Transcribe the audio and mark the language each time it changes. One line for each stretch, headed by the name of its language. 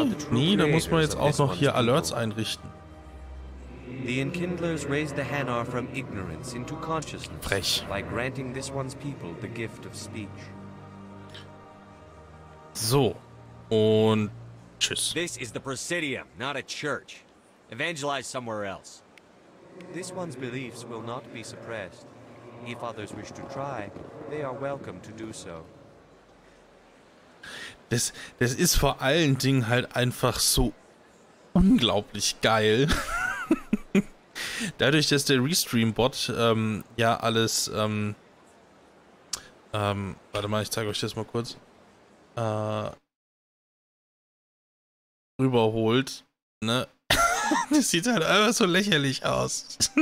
German: Nee, da muss man jetzt auch noch hier Alerts einrichten.
English: The Enkindlers raised the Hanar from ignorance into consciousness.
German: Frech.
English: By granting this one's people the gift of speech.
German: So. Und tschüss.
English: This is the Presidium, not a church. Evangelize somewhere else. This one's beliefs will not be suppressed. If others wish to try, they are welcome to do so.
German: Das ist vor allen Dingen halt einfach so unglaublich geil. Dadurch, dass der Restream-Bot ja alles warte mal, ich zeige euch das mal kurz rüberholt, ne? Das sieht halt einfach so lächerlich aus.